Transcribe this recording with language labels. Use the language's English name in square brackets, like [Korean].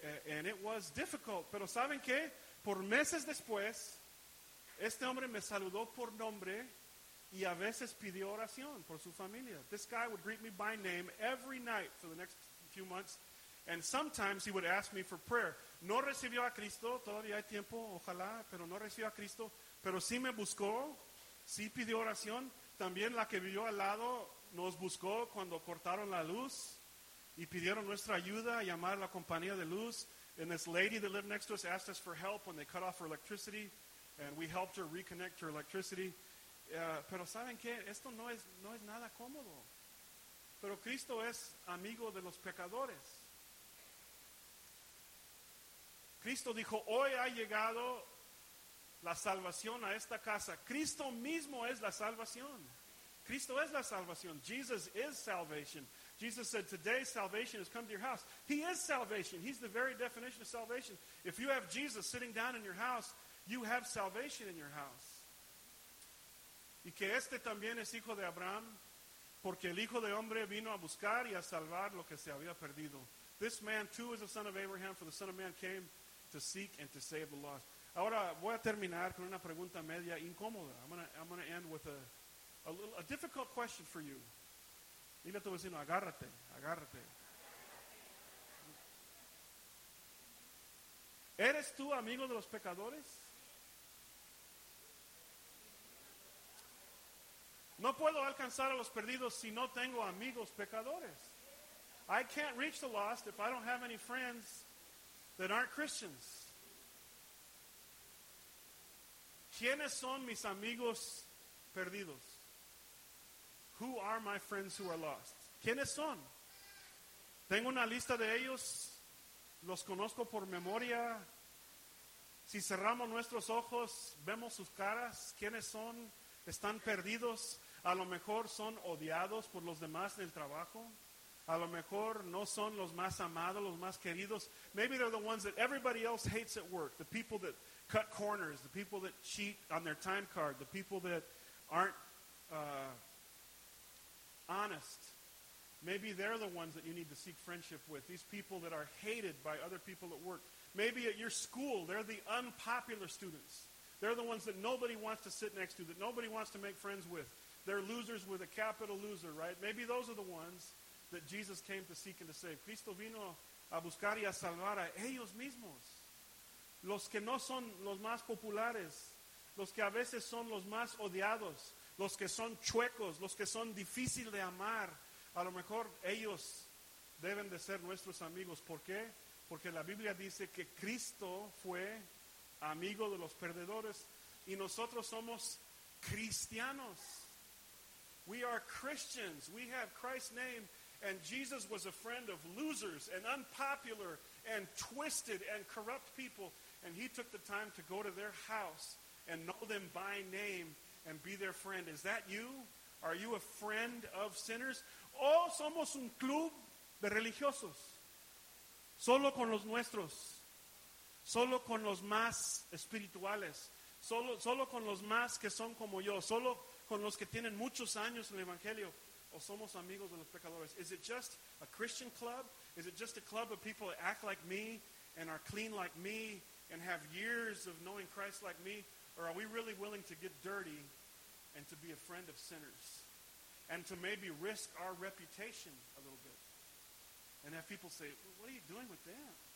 [English] And it was difficult. [Spanish] Pero ¿saben qué? Por meses después, este hombre me saludó por nombre y a veces pidió oración por su familia. [English] This guy would greet me by name every night for the next few months. And sometimes he would ask me for prayer. [Spanish] No recibió a Cristo. Todavía hay tiempo, ojalá. Pero no recibió a Cristo. Pero sí me buscó. Sí pidió oración. También la que vivió al lado nos buscó cuando cortaron la luz. Y pidieron nuestra ayuda, a llamar a la compañía de luz. [English] And this lady that lived next to us asked us for help when they cut off her electricity. And we helped her reconnect her electricity. [Spanish] Pero ¿saben qué? Esto no es nada cómodo. Pero Cristo es amigo de los pecadores. Cristo dijo, hoy ha llegado la salvación a esta casa. Cristo mismo es la salvación. Cristo es la salvación. [English] Jesus is salvation. Jesus said, today salvation has come to your house. He is salvation. He's the very definition of salvation. If you have Jesus sitting down in your house, you have salvation in your house. [Spanish] Y que este también es hijo de Abraham, porque el hijo de hombre vino a buscar y a salvar lo que se había perdido. [English] This man too is a son of Abraham, for the Son of Man came to seek and to save the lost. [Spanish] Ahora voy a terminar con una pregunta media incómoda. [English] I'm gonna end with a difficult question for you. [Spanish] Dile a tu vecino, agárrate. ¿Eres tú amigo de los pecadores? No puedo alcanzar a los perdidos si no tengo amigos pecadores. [English] I can't reach the lost if I don't have any friends that aren't Christians. [Spanish] ¿Quiénes son mis amigos perdidos? [English] Who are my friends who are lost? [Spanish] ¿Quiénes son? Tengo una lista de ellos. Los conozco por memoria. Si cerramos nuestros ojos, vemos sus caras. ¿Quiénes son? Están perdidos. A lo mejor son odiados por los demás en el trabajo. A lo mejor no son los más amados, los más queridos. [English] Maybe they're the ones that everybody else hates at work. The people that cut corners. The people that cheat on their time card. The people that aren't honest. Maybe they're the ones that you need to seek friendship with. These people that are hated by other people at work. Maybe at your school, they're the unpopular students. They're the ones that nobody wants to sit next to, that nobody wants to make friends with. They're losers with a capital loser, right? Maybe those are the ones that Jesus came to seek and to save. [Spanish] Cristo vino a buscar y a salvar a ellos mismos. Los que no son los más populares. Los que a veces son los más odiados. Los que son chuecos. Los que son difícil de amar. A lo mejor ellos deben de ser nuestros amigos. ¿Por qué? Porque la Biblia dice que Cristo fue amigo de los perdedores. Y nosotros somos cristianos. [English] We are Christians. We have Christ's name. And Jesus was a friend of losers and unpopular and twisted and corrupt people. And he took the time to go to their house and know them by name and be their friend. Is that you? Are you a friend of sinners? [Spanish] ¿O somos un club de religiosos? Solo con los nuestros. Solo con los más espirituales. Solo con los más que son como yo. Solo con los que tienen muchos años en el Evangelio. ¿O somos amigos de los pecadores? [English] Is it just a Christian club? Is it just a club of people that act like me and are clean like me and have years of knowing Christ like me? Or are we really willing to get dirty and to be a friend of sinners? And to maybe risk our reputation a little bit. And have people say, what are you doing with them?